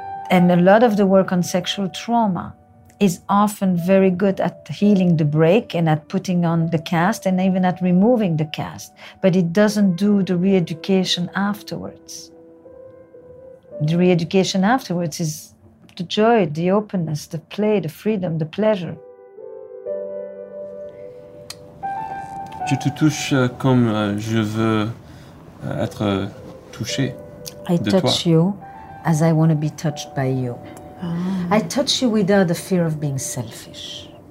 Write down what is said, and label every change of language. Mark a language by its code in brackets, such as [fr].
[en] And a lot of the work on sexual trauma is often very good at healing the break and at putting on the cast and even at removing the cast, but it doesn't do the re-education afterwards. The re-education afterwards is the joy, the openness, the play, the freedom, the pleasure. [fr] Tu te touches comme je veux être touché. [en] I touch you as I want to be touched by you. I touch you without the fear of being selfish.